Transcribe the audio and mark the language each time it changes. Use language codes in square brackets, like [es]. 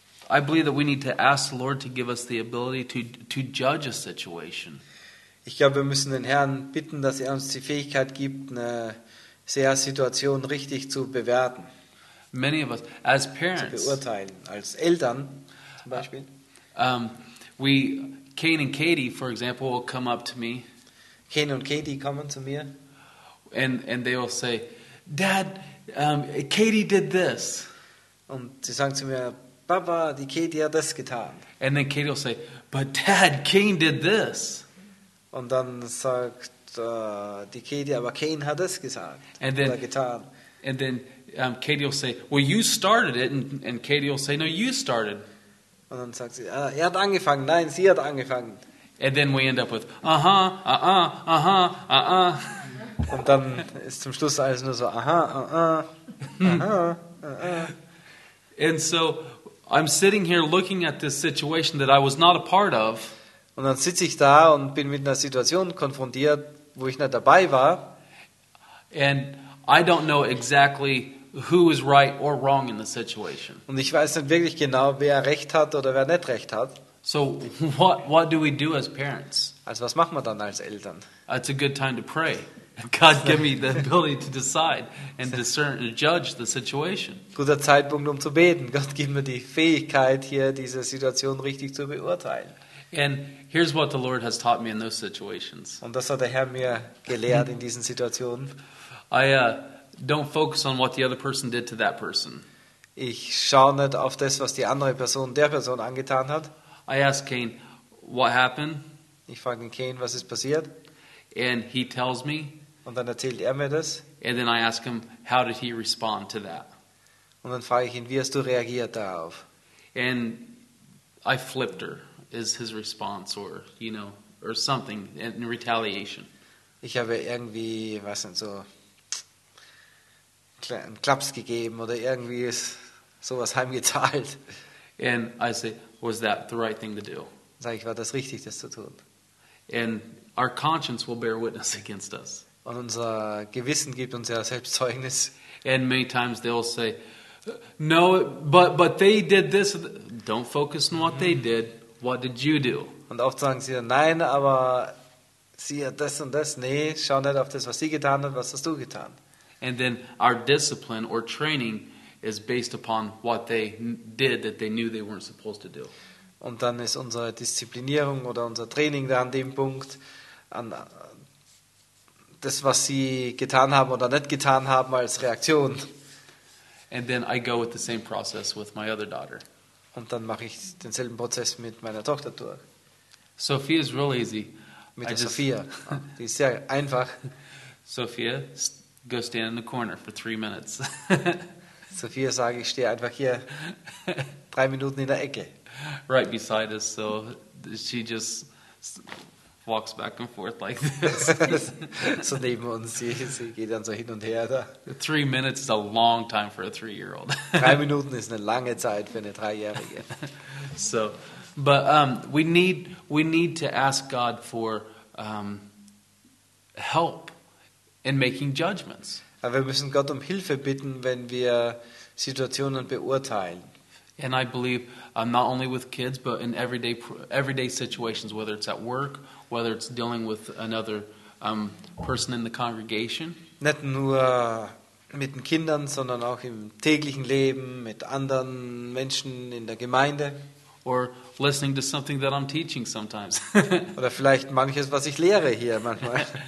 [en] I believe that we need to ask the Lord to give us the ability to judge a situation. [de] Ich glaube, wir müssen den Herrn bitten, dass er uns die Fähigkeit gibt, eine Situation richtig zu bewerten. [en] Many of us, as parents, [de] zu beurteilen, als Eltern zum Beispiel. [en] Kane and Katie, for example, will come up to me. [de] Kane und Katie kommen zu mir. [en] And they will say, Dad, Katie did this. [de] Und sie sagen zu mir, Papa, die Katie hat das getan. [en] And then Katie will say, but Dad, Kane did this. [de] Und dann sagt die Katie, aber Kane hat das gesagt oder getan. [en] And then Katie will say, well, you started it. And Katie will say, no, you started. [de] Und dann sagt sie, er hat angefangen. Nein, sie hat angefangen. [en] And then we end up with, uh-huh. [de] Und dann ist zum Schluss alles nur so, [en] And so I'm sitting here looking at this situation that I was not a part of. [de] Und dann sitze ich da und bin mit einer Situation konfrontiert, wo ich nicht dabei war. [en] And I don't know exactly who is right or wrong in the situation. [de] Und ich weiß nicht wirklich genau, wer recht hat oder wer nicht recht hat. [en] So what do we do as parents? [de] Also was machen wir dann als Eltern? [en] It's a good time to pray. God give me the ability to decide and discern and judge the situation. [de] Guter Zeitpunkt um zu beten. Gott gib mir die Fähigkeit hier diese Situation richtig zu beurteilen. [en] And here's what the Lord has taught me in those situations. [de] Und das hat der Herr mir gelehrt in diesen Situationen. [en] Don't focus on what the other person did to that person. [de] Ich schaue nicht auf das, was die andere Person der Person angetan hat. [en] I ask Kane, what happened? [de] Ich frage Kane, was ist passiert? [en] And he tells me. [de] Und dann erzählt er mir das. [en] And then I ask him, how did he respond to that? [de] Und dann frage ich ihn, wie hast du reagiert darauf? [en] And I flipped her, is his response, or you know, or something in retaliation. [de] Ich habe irgendwie, was denn so, einen Klaps gegeben oder irgendwie ist sowas heimgezahlt. [en] And I say, was that the right thing to do? [de] Sag ich, war das richtig, das zu tun? [en] And our conscience will bear witness against us. [de] Und unser Gewissen gibt uns ja selbst Zeugnis. [en] And many times they'll say, no, but they did this. Don't focus on what they did. What did you do? [de] Und oft sagen sie, nein, aber sie hat das und das. Nee, schau nicht auf das, was sie getan hat. Was hast du getan? [en] And then our discipline or training is based upon what they did that they knew they weren't supposed to do. [de] Und dann ist unsere Disziplinierung oder unser Training da an dem Punkt, an das, was sie getan haben oder nicht getan haben, als Reaktion. [en] And then I go with the same process with my other daughter. [de] Und dann mache ich denselben Prozess mit meiner Tochter durch. [en] Sophia is real easy. [de] Mit der Sophia. Die ist sehr einfach. [en] Sophia, go stand in the corner for 3 minutes. [de] Sophia, sage ich, stehe einfach hier 3 Minuten in der Ecke. [en] Right beside us, so she just walks back and forth like this. [de] So neben uns, sie geht dann so hin und her da. [en] 3 minutes is a long time for a 3-year-old. [de] 3 Minuten ist eine lange Zeit für eine 3-Jährige. [en] So, but we need to ask God for help in making judgments. [de] Aber wir müssen Gott um Hilfe bitten, wenn wir Situationen beurteilen. [en] And I believe not only with kids, but in everyday situations, whether it's at work, whether it's dealing with another person in the congregation. [de] Nicht nur mit den Kindern, sondern auch im täglichen Leben mit anderen Menschen in der Gemeinde. [en] Or listening to something that I'm teaching sometimes. [de] Oder vielleicht manches, was ich lehre hier manchmal.